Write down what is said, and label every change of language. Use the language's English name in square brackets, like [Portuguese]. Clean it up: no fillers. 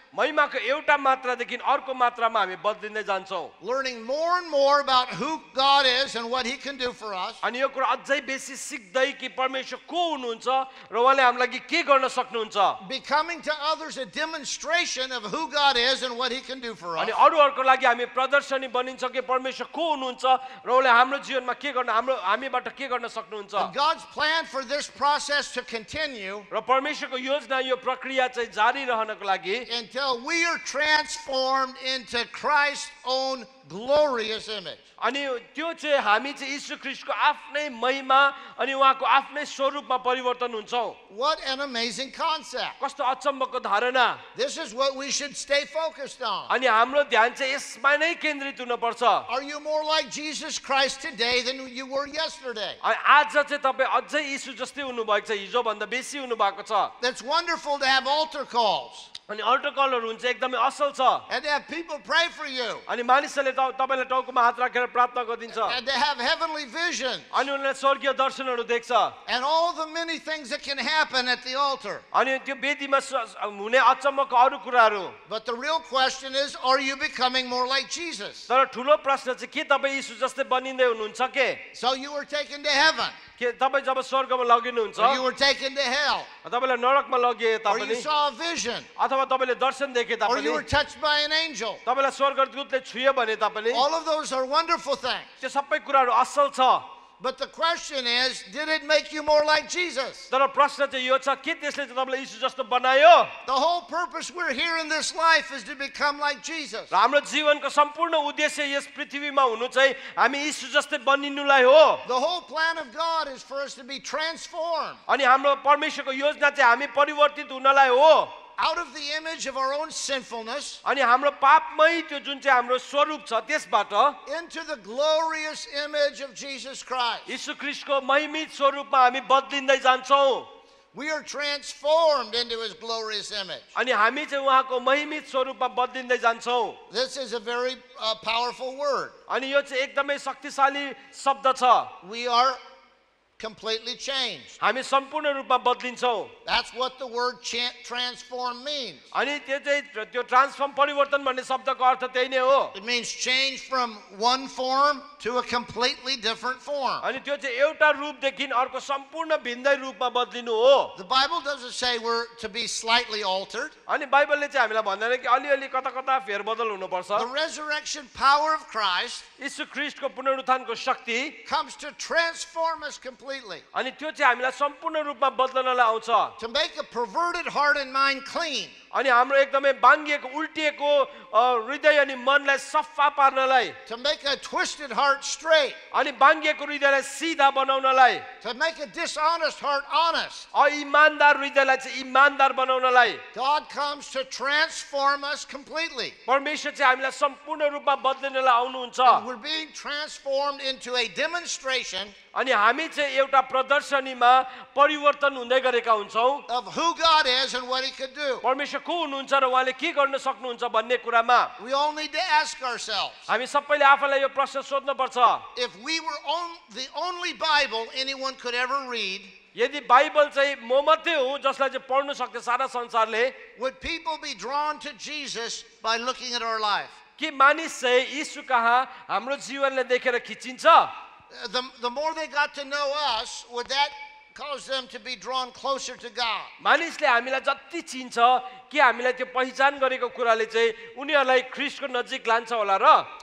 [Nepali] महिमाको एउटा मात्रादेखि अर्को मात्रामा हामी बद्लिँदै जान्छौं. [English] Learning more and more about who God is and what he can do for us. [Nepali] अनि यो कुरा अझै बेसी सिक्दै कि परमेश्वर को हुनुहुन्छ र उहाँले हाम्रो लागि के गर्न सक्नुहुन्छ. [English] Becoming to others a demonstration of who God is and what he can do for us. [Nepali] अनि अरूहरूको लागि हामी प्रदर्शनी बनिन्छ कि परमेश्वर को हुनुहुन्छ र उहाँले हाम्रो जीवनमा के गर्न हाम्रो हामीबाट के गर्न सक्नुहुन्छ. [English] God's plan for this process to continue. [Nepali] र परमेश्वरको योजना यो प्रक्रिया चाहिँ जारी रहनको लागि. [English] Until we are transformed into Christ's own glorious image. [Nepali] अनि त्यो चाहिँ हामी चाहिँ यीशु ख्रीष्टको आफ्नै महिमा अनि उहाँको आफ्नै स्वरूपमा परिवर्तन हुन्छौं. [English] What an amazing concept. [Nepali] कस्तो अचम्मको धारणा. [English] This is what we should stay focused on. [Nepali] अनि हाम्रो ध्यान चाहिँ यसमा नै केन्द्रित हुन पर्छ. [English] Are you more like Jesus Christ today than you were yesterday? [Nepali] आज चाहिँ तपाईं अझै यीशु जस्तै हुनु भएको छ हिजो भन्दा बेसी हुनु भएको छ. [English] That's wonderful to have altar calls. [Nepali] अनि अल्टर कलर हुन्छ एकदमै असल छ. [English] And they have people pray for you. [Nepali] अनि मानिसहरूले तपाईँलाई टाउकोमा हात राखेर प्रार्थना गरिदिन्छ. [English] And they have heavenly visions. [Nepali] अनि उनले स्वर्गीय दर्शनहरू देख्छ. [English] And all the many things that can happen at the altar. [Nepali] अनि त्यो वेदीमा हुने अचम्मको अरू कुराहरू. [English] But the real question is, are you becoming more like Jesus? [Nepali] तर ठूलो प्रश्न चाहिँ के तपाईँ यीशु जस्तै बनिँदै हुनुहुन्छ के? [English] So you are taken to heaven. [Nepali] के तपाईँ जब स्वर्गमा लगिनुहुन्छ तपाईँलाई नरकमा लगिए तापनि अथवा तपाईँले दर्शन देखे तापनि तपाईँलाई स्वर्गदूतले छुए भने तापनि त्यो सबै कुराहरू असल छ. [English] But the question is, did it make you more like Jesus? [Nepali] तर प्रश्न चाहिँ यो छ के त्यसले चाहिँ तपाईलाई यीशु जस्तो बनायो? [English] The whole purpose we're here in this life is to become like Jesus. [Nepali] हाम्रो जीवनको सम्पूर्ण उद्देश्य यस पृथ्वीमा हुनु चाहिँ हामी यीशु जस्तै बनिनुलाई हो. [English] The whole plan of God is for us to be transformed. [Nepali] अनि हाम्रो परमेश्वरको योजना चाहिँ हामी परिवर्तित हुनलाई हो. [English] Out of the image of our own sinfulness, [Nepali] अनि हाम्रो पापमै त्यो जुन चाहिँ हाम्रो स्वरूप छ त्यसबाट, [English] into the glorious image of Jesus Christ, [Nepali] यीशु ख्रीष्टको महिमित स्वरूपमा हामी बदलिँदै जान्छौं. [English] We are transformed into his glorious image. [Nepali] अनि हामी चाहिँ उहाँको महिमित स्वरूपमा बदलिँदै जान्छौं. [English] This is a very powerful word. [Nepali] अनि यो चाहिँ एकदमै शक्तिशाली शब्द छ. [English] We are completely changed. [Nepali] हामी सम्पूर्ण रूपमा बदलिन्छौ. [English] That's what the word transform means. [Nepali] अनि त्यो चाहिँ त्यो transform परिवर्तन भन्ने शब्दको अर्थ त्यही नै हो. [English] It means change from one form to a completely different form. [Nepali] अनि त्यो चाहिँ एउटा रूप देखिन अर्को सम्पूर्ण भिन्दै रूपमा बदलिनु हो. [English] The Bible doesn't say we're to be slightly altered. [Nepali] अनि बाइबलले चाहिँ हामीलाई भन्दैन कि अलिअलि कताकता फेरबदल हुनुपर्छ. [English] The resurrection power of Christ, [Nepali] यीशु ख्रीष्टको पुनरुत्थानको शक्ति, [English] comes to transform us completely. [Nepali] अनि त्यो चाहिँ हामीलाई सम्पूर्ण रूपमा बदल्नलाई आउँछ. [English] To make a perverted heart and mind clean. [Nepali] अनि हाम्रो एकदमै बाङ्गिएको उल्टिएको हृदय अनि मनलाई सफा पार्नलाई. [English] To make a twisted heart straight. [Nepali] अनि बाङ्गिएको हृदयलाई सिधा बनाउनलाई. [English] To make a dishonest heart honest. [Nepali] इमानदार हृदयलाई चाहिँ इमानदार बनाउनलाई. [English] God comes to transform us completely. [Nepali] परमेश्वर चाहिँ हामीलाई सम्पूर्ण रूपमा बदल्नलाई आउनुहुन्छ. [English] We're being transformed into a demonstration. [Nepali] अनि हामी चाहिँ एउटा प्रदर्शनीमा परिवर्तन हुँदै गरेका हुन्छौँ. [English] Of who God is and what he could do. [Nepali] परमेश्वर को हुनुहुन्छ र उहाँले के गर्न सक्नुहुन्छ भन्ने कुरामा. [English] We all need to ask ourselves. [Nepali] हामी सबैले आफूलाई यो प्रश्न सोध्न पर्छ. [English] If we were on the only Bible anyone could ever read. [Nepali] यदि बाइबल चाहिँ म मात्रै हो जसलाई चाहिँ पढ्न सक्छ सारा संसारले. [English] Would people be drawn to Jesus by looking at our life? [Nepali] कि मानिस चाहिँ यीशु कहाँ हाम्रो जीवनले देखेर खिचिन्छ? [English] The more they got to know us, would that cause them to be drawn closer to God? [Nepali] मानिसले हामीलाई जति चिन्छ के हामीलाई त्यो पहिचान गरेको कुराले चाहिँ उनीहरूलाई ख्रीष्टको नजिक लान्छ होला र.